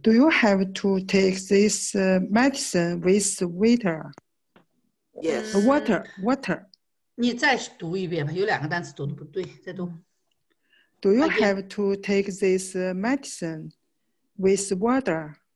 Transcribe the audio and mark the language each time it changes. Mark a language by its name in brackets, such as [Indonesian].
[English] Do you have to take this medicine with water? Yes. Water, water. [Chinese] 你再读一遍吧，有两个单词读的不对，再读。 [English] Do you have to take this medicine with water?